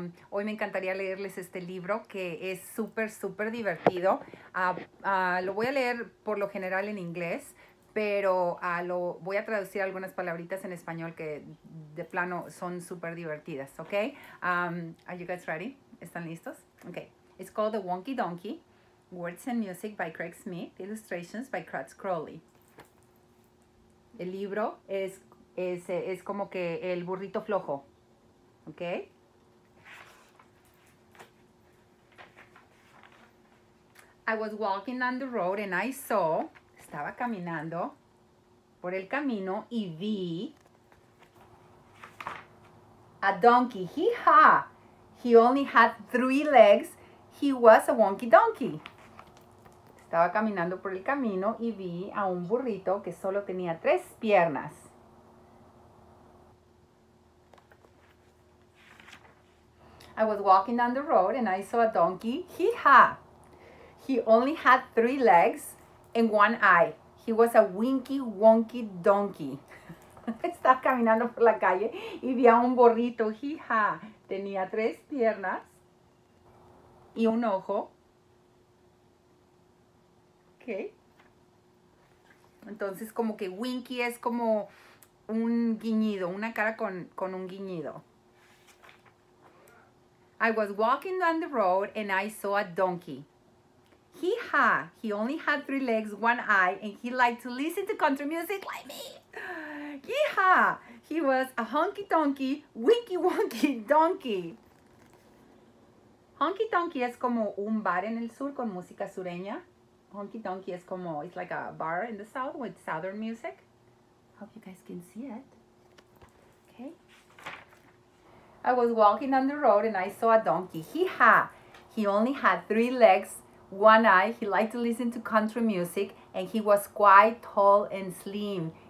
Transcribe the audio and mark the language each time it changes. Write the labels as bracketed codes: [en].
[es] Hoy me encantaría leerles este libro que es súper, súper divertido. Lo voy a leer por lo general en inglés, pero lo voy a traducir algunas palabritas en español que de plano son súper divertidas, ¿ok? [en] Are you guys ready? [es] ¿Están listos? [en] Ok. It's called The Wonky Donkey, Words and Music by Craig Smith, Illustrations by Kratz Crowley. [es] El libro es como que el burrito flojo, ¿ok? [en] I was walking down the road and I saw, [es] estaba caminando por el camino y vi [en] a donkey. Hee-haw! He only had 3 legs. He was a wonky donkey. [es] Estaba caminando por el camino y vi a un burrito que solo tenía 3 piernas. [en] I was walking down the road and I saw a donkey. Hee-haw! He only had 3 legs and 1 eye. He was a winky wonky donkey. [es] Estaba caminando por la calle y vi a un burrito. Hee-haw! Tenía 3 piernas. Y un ojo. Ok. Entonces, como que winky es como un guiñido, una cara con un guiñido. [en] I was walking down the road and I saw a donkey. Hee-haw! He only had 3 legs, 1 eye, and he liked to listen to country music like me. Hee-haw! He was a honky-tonky, winky-wonky donkey. [es] Honky Tonky es como un bar en el sur con música sureña. [en] Honky Tonky [es] es como, [en] it's like a bar in the south with southern music. Hope you guys can see it. Okay. I was walking on the road and I saw a donkey. Hee-haw! He only had 3 legs, 1 eye. He liked to listen to country music and he was quite tall and slim.